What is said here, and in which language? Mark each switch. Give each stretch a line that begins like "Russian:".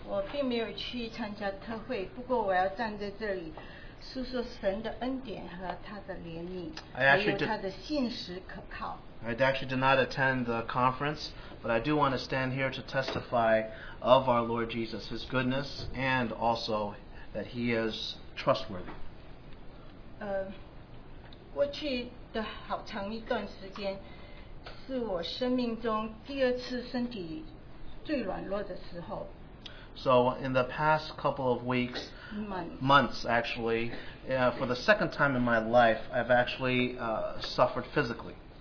Chinese: 我并没有去参加特会，不过我要站在这里诉说神的恩典和他的怜悯，还有他的信实可靠。
English: I actually did not attend the conference, but I do want to stand here to testify of our Lord Jesus, His goodness, and also that He is trustworthy.
Chinese: 过去的好长一段时间是我生命中第二次身体最软弱的时候。
English: So in the past couple of weeks, months actually, for the second time in my life, I've actually suffered physically.